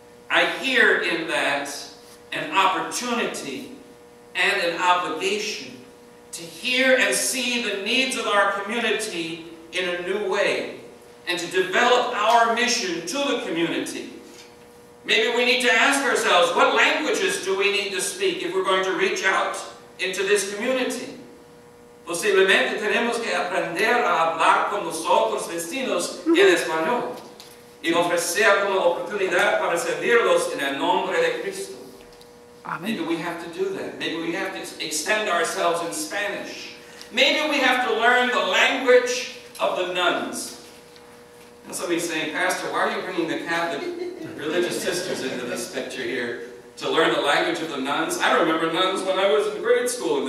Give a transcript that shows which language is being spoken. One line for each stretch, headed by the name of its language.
English: I hear in that an opportunity and an obligation to hear and see the needs of our community in a new way and to develop our mission to the community. Maybe we need to ask ourselves, what languages do we need to speak if we're going to reach out into this community?
Spanish: Posiblemente tenemos que aprender a hablar con los otros vecinos en español y ofrecer como oportunidad para servirlos en el nombre de Cristo.
English: Amen. Maybe we have to do that. Maybe we have to extend ourselves in Spanish. Maybe we have to learn the language of the nuns. And somebody's saying, Pastor, why are you bringing the Catholic religious sisters into this picture here? To learn the language of the nuns. I remember nuns when I was in grade school.